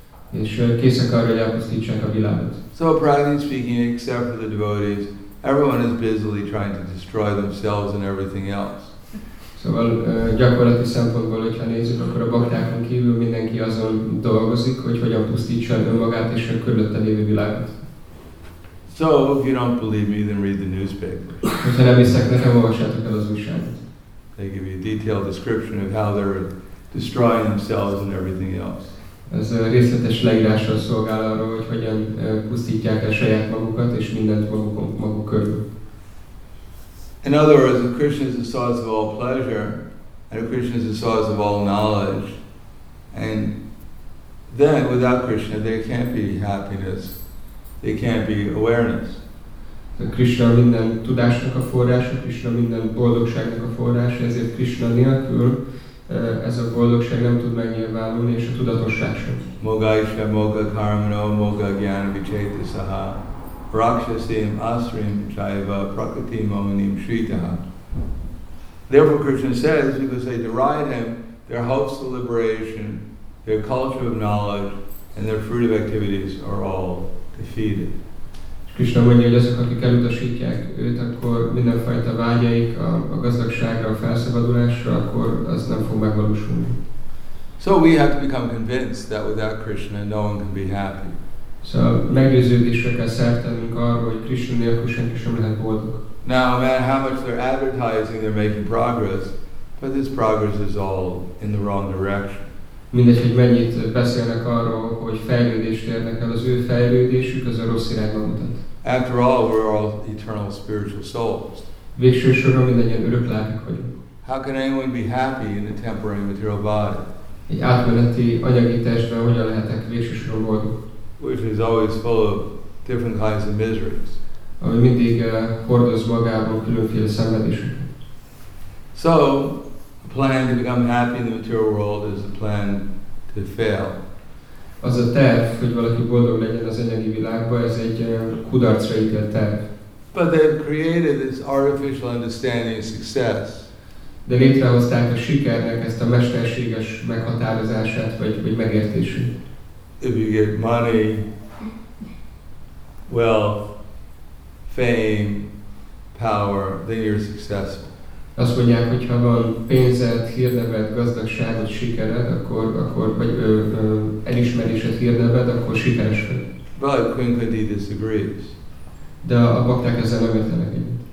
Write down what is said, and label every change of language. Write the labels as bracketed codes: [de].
[hu] És készek arra, hogy elpusztítsák a világot. [en] So practically speaking, except for the devotees, everyone is busily trying to destroy themselves and everything else. [hu] Szóval gyakorlati szempontból, hogyha nézzük, akkor a baktákon kívül mindenki azon dolgozik, hogy hogyan pusztítsa önmagát és a körülötte lévő világot. [en] So, if you don't believe me, then read the newspaper. [hu] Hogyha nem hiszek nekem, olvassátok el az újságot. [en] They give you a detailed description of how they're destroying themselves and everything else. [hu] Ez részletes leírásra szolgál arról, hogy hogyan pusztítják el saját magukat és mindent maguk körül. [en] In other words, if Krishna is the source of all pleasure, and if Krishna is the source of all knowledge, and then without Krishna there can't be happiness. They can't be awareness. [hu] Krishna minden tudásnak a forrása, Krishna minden boldogságnak a forrása, ezért Krishna nélkül ez a boldogság nem tud megnyilvánulni, és a tudatosság sem. [sa] Moga isha, moga karmano, moga gyana vichaita saha, rakshasim asrim chaiva prakritim omanim shritaha. [en] Therefore Krishna says, because they deride him, their hopes of liberation, their culture of knowledge, and their fruitive activities are all defeated. [hu] És Krishna mondja, hogy azok, akik elutasítják őt, akkor mindenfajta vágyaik a gazdagságra, a felszabadulásra, akkor az nem fog megvalósulni. [en] So we have to become convinced that without Krishna no one can be happy. [hu] Szóval meggyőződésre kell szertenünk arról, hogy Krishna nélkül senki sem lehet boldog. [en] Now, man, how much they're advertising, they're making progress, but this progress is all in the wrong direction. [hu] Mindegy, hogy mennyit beszélnek arról, hogy fejlődést érnek el, az ő fejlődésük az a rossz irányba mutat. [en] After all, we're all eternal spiritual souls. [hu] Végső soron mindannyian örök lelkek vagyunk. [en] How can anyone be happy in a temporary material body? [hu] Egy átmeneti anyagi testben hogyan lehetek végsősorban boldog? [en] Which is always full of different kinds of miseries. [hu] Ami mindig hordoz magában különféle szenvedéseket. [en] So, a plan to become happy in the material world is a plan to fail. [hu] Az a terv, hogy valaki boldog legyen az anyagi világban, ez egy kudarcra ítélt terv. [en] But they've created this artificial understanding of success. [hu] De létrehozták a sikernek ezt a mesterséges meghatározását, vagy megértését. [en] If you get money, wealth, fame, power, then you're successful. [hu] Azt mondják, hogy ha van pénzed, hírneved, gazdagságod, sikered, akkor vagy elismerésed, hírneved, akkor sikeres vagy. [en] But Quincunti disagrees. [hu] De a bakták ezzel nem értenek egyet.